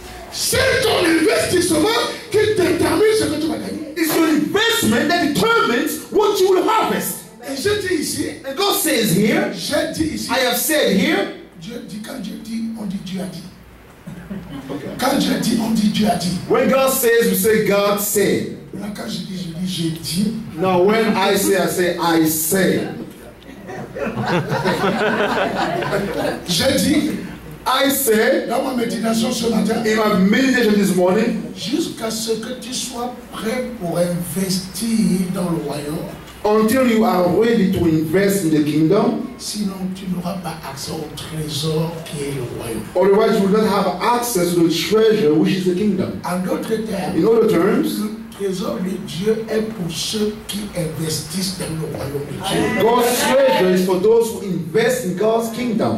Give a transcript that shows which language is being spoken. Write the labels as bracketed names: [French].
[French] C'est ton investissement qui détermine ce que tu vas gagner. [English] It's your investment that determines what you will harvest. [French] Et je dis ici, [English] and God says here, [French] je dis ici, [English] I have said here, [French] je dis, quand je dis, on dit Dieu a dit. [English] Okay. [French] Quand je dis, on dit Dieu a dit. [English] When God says, we say God said. [French] Là, quand je dis, j'ai dit. [English] Now when I say, I say. [French] Je dis. [English] I say, [French] dans ma méditation ce matin, [English] in my meditation this morning, [French] jusqu'à ce que tu sois prêt pour investir dans le royaume, [English] until you are ready to invest in the kingdom, [French] sinon tu n'auras pas accès au trésor qui est le royaume. [English] Otherwise, you will not have access to the treasure which is the kingdom. [French] En d'autres termes, [English] in other terms, [French] le trésor de Dieu est pour ceux qui investissent dans le royaume de Dieu. [English] God's treasure is for those who invest in God's kingdom.